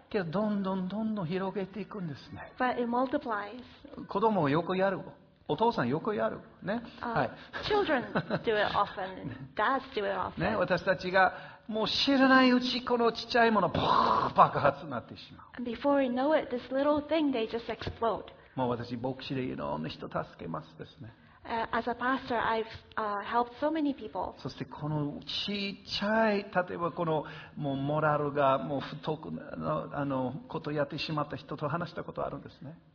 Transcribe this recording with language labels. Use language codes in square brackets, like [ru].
[ja] けどどんどんどんどん広げていくんですね。 [en] But it multiplies. [ja] 子供をよくやる。お父さんよくやる。ね。 [en] はい。Children do it often. Dads do it often. ね。 [ja] 私たちがもう知らないうちこのちっちゃいものが爆発になってしまう。 [en] Before we know it, this little thing, they just explode. [ja] もう私、牧師でいろんな人助けますですね。 [en] As a pastor, I've helped so many people. [ja] そしてこのちっちゃい例えばこのもうモラルがもう太くのあのことをやってしまった人と話したことあるんですね。